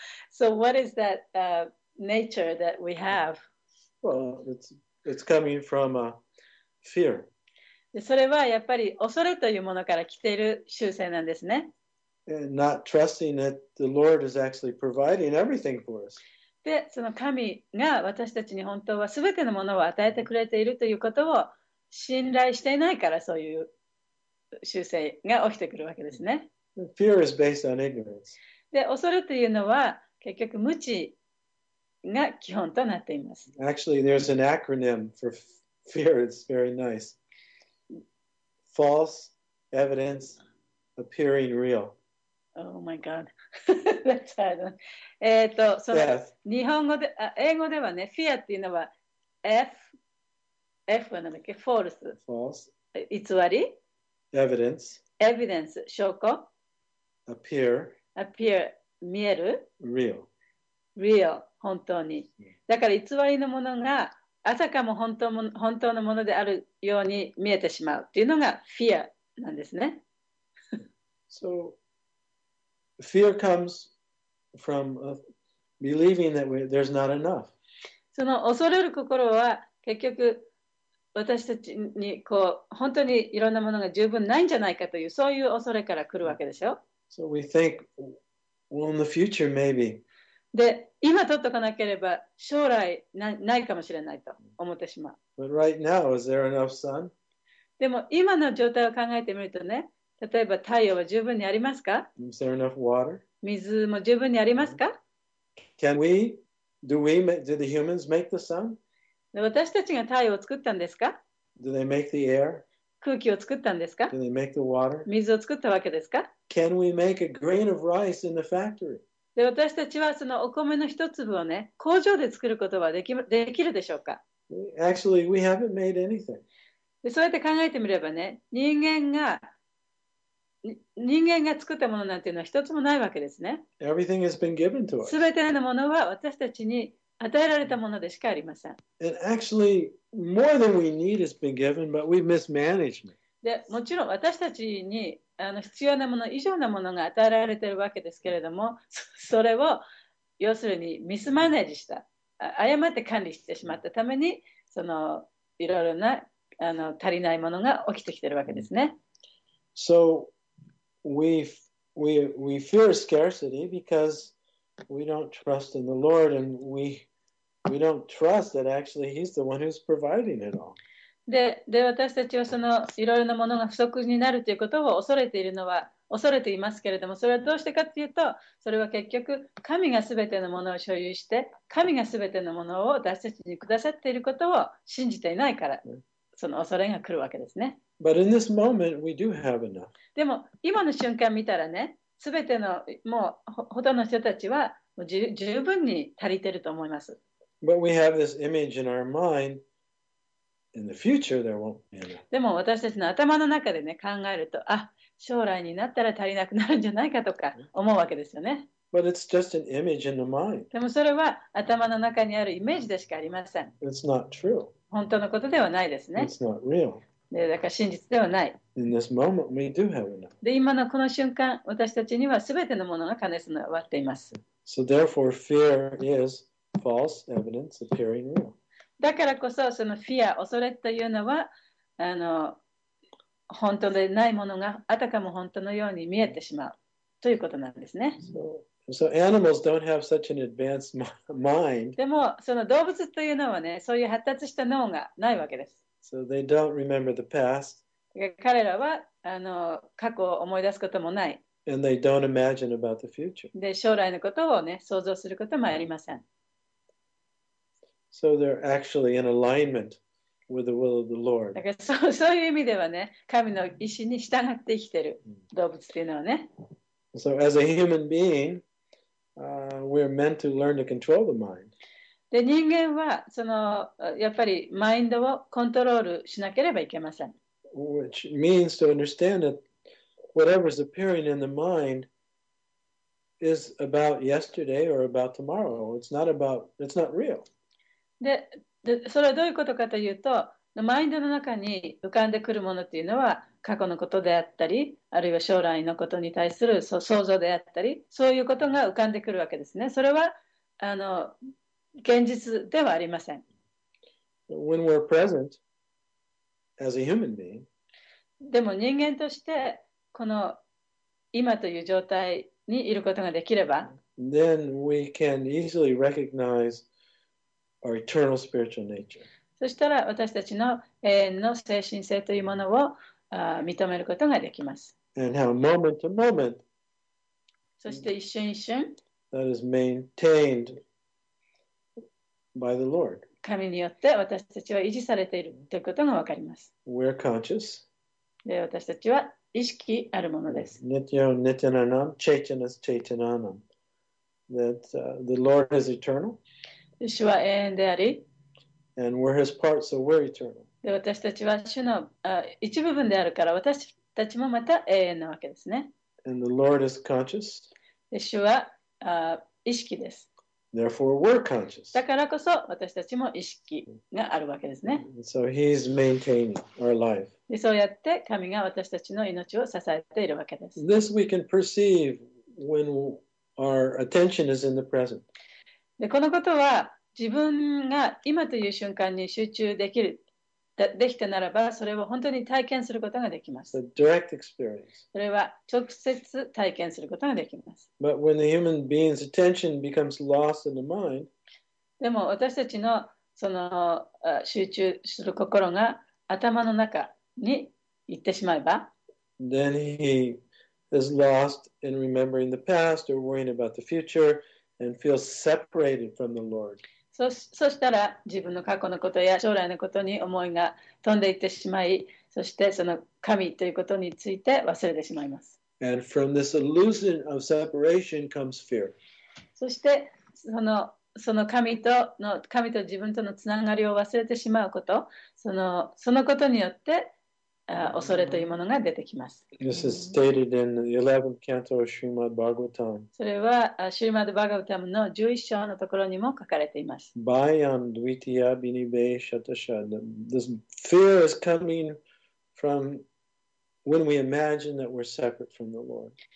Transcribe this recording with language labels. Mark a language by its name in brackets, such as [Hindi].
[English] So what is that nature that we have? Well, it's coming from a fear. [Japanese] それはやっぱり恐れというものから来ている習性なんですね。 [English] And not trusting that the Lord is actually providing everything for us. [Japanese] で、その神が私たちに本当は全てのものを与えてくれているということを信頼していないから、そういう習性が起きてくるわけですね。 [English] Fear is based on ignorance. [Japanese] で、恐れというのは結局無知が基本となっています。 [English] Actually, there's an acronym for fear. It's very nice. False evidence appearing real. Oh my God. That's hard. [Japanese] その日本語で、英語ではね、フィアっていうのは F は何だっけ ?False。 [English] False。 [Japanese] 偽り [English] ?Evidence。 Evidence。 [Japanese] 証拠 [English] ?Appear。 Appear。 [Japanese] 見える [English] ?Real。 Real。 [Japanese] 本当に。だから偽りのものが、あたかも本当のものであるように見えてしまうっていうのが Fear なんですね。 [English] So, fear comes from believing that there's not enough. [Japanese] その恐れる心は結局私たちにこう本当にいろんなものが十分ないんじゃないかというそういう恐れから来るわけでしょ。 [English] So we think, well, in the future, maybe. [Japanese] で、今取っとかなければ将来ないかもしれないと思ってしまう。 [English] But right now, is there enough sun? [Japanese] でも今の状態を考えてみるとね、例えば太陽は十分にありますか？ [English] Is there enough water? [Japanese] 水も十分にありますか？ [English] Can we? Do the humans make the sun? [Japanese] 私たちが太陽を作ったんですか？ [English] Do they make the air? [Japanese] 空気を作ったんですか？ [English] Do they make the water? [Japanese] 水を作ったわけですか？ [English] Can we make a grain of rice in the factory? [Japanese] で私たちはそのお米の一粒をね、工場で作ることはできるでしょうか？ [English] Actually, we haven't made anything. [Japanese] でそうやって考えてみればね、人間が作ったものなんていうのは一つもないわけですね。 [English] Everything has been given to us. [Japanese] 全てのものは私たちに与えられたものでしかありません。 [English] And actually, more than we need has been given, but we've mismanaged it. [Japanese] で、もちろん私たちに必要なもの以上なものが与えられているわけですけれども、それを要するにミスマネージした、誤って管理してしまったために、そのいろいろな足りないものが起きてきているわけですね。 [English] So,We fear scarcity because we don't trust in the Lord and we don't trust that actually He's the one who's providing it all. [Japanese] で私たちはそのいろいろなものが不足になるということを恐れていますけれども、それはどうしてかというと、それは結局神がすべてのものを所有して、神がすべてのものを私たちにくださっていることを信じていないから、その恐れが来るわけですね。 [English] But in this moment, we do have enough. [Japanese] でも今の瞬間見たらね、すべてのもう ほとんどの人たちは十分に足りてると思います。 [English] But we have this image in our mind. In the future, there won't be enough. [Japanese] でも私たちの頭の中でね考えると、あ、将来になったら足りなくなるんじゃないかとか思うわけですよね。 [English] But it's just an image in the mind. [Japanese] でもそれは頭の中にあるイメージでしかありません。 [English] It's not true. [Japanese] 本当のことではないですね。 [English] It's not real. [Japanese] でだから真実ではない。 [English] In this moment, we do have enough. [Japanese] で今のこの瞬間、私たちにはすべてのものが兼ね備わっています。 [English] So therefore, fear is false evidence appearing real. [Japanese] だからこそ、その fear、恐れというのは本当でないものがあたかも本当のように見えてしまうということなんですね。 [English] So animals don't have such an advanced mind. [Japanese] でもその動物というのはね、そういう発達した脳がないわけです。 [English] So they don't remember the past. [Japanese] 彼らは過去を思い出すこともない。 [English] And they don't imagine about the future. [Japanese] で、将来のことをね、想像することもありません。 [English] So they're actually in alignment with the will of the Lord. [Japanese] だからそういう意味ではね、神の意思に従って生きている動物っていうのはね。 [English] So as a human being, we're meant to learn to control the mind. [Japanese] で人間はそのやっぱりマインドをコントロールしなければいけません。 [English] Which means to understand that whatever is appearing in the mind is about yesterday or about tomorrow. It's not real. [Japanese] でそれはどういうことかというと、マインドの中に浮かんでくるものというのは過去のことであったり、あるいは将来のことに対する想像であったり、そういうことが浮かんでくるわけですね。それは現実ではありません。 [English] When we're present as a human being, [Japanese] でも人間としてこの今という状態にいることができれば、 [English] then we can easily recognize our eternal spiritual nature. [Japanese] そしたら私たちの永遠の精神性というものを認めることができます。 [English] And how moment to moment, [Japanese] そして一瞬一瞬 [English] that is maintained by the Lord. [Japanese] 神によって私たちは維持されているということがわかります。 [English] We're conscious. [Japanese] で私たちは意識あるものです。 [Sanskrit] Nityam Nityananam, Chaitanya Chaitananam. [English] That the Lord is eternal. [Japanese] 主は永遠であり。 [English] And we're his part, so we're eternal. [Japanese] で私たちは主の一部分であるから私たちもまた永遠なわけですね。 [English] And the Lord is conscious. [Japanese] で主は意識です。 [English] Therefore, we're conscious. [Japanese] だからこそ私たちも意識があるわけですね。 [English] So he's maintaining our life. [Japanese] でそうやって神が私たちの命を支えているわけです。 [English] This we can perceive when our attention is in the present. [Japanese] でこのことは自分が今という瞬間に集中できる、できたならば、それを本当に体験することができます。 [English] The direct experience. [Japanese] それは直接体験することができます。 [English] But when the human being's attention becomes lost in the mind, [Japanese] でも私たちのその集中する心が頭の中に行ってしまえば、 [English] then he is lost in remembering the past or worrying about the future and feels separated from the Lord. [Japanese] そしたら自分の過去のことや将来のことに思いが飛んでいってしまい、そしてその神ということについて忘れてしまいます。 [English] And from this illusion of separation comes fear. [Japanese] そしてその神と自分とのつながりを忘れてしまうこと、そのことによって恐れというものが出てきます。 [English] This is stated in the 11th canto of Srimad Bhagavatam. [Japanese] それは Srimad Bhagavatam の11章のところにも書かれています。 [Sanskrit] Bhayam dvitiya binibe shatasha. [English] This fear is coming from when we imagine that we're separate from the Lord.